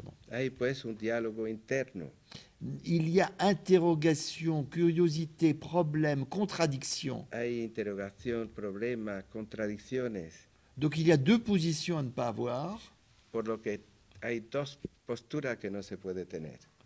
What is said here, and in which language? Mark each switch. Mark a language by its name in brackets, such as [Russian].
[Spanish] Ahí pues un diálogo interno. [French] Il y a interrogation, curiosité, problème, contradiction. [Spanish] Hay interrogación, problema, contradicciones. [French] Donc il y a deux positions à ne pas avoir. [Spanish] Por lo que hay dos posturas que no se puede tener.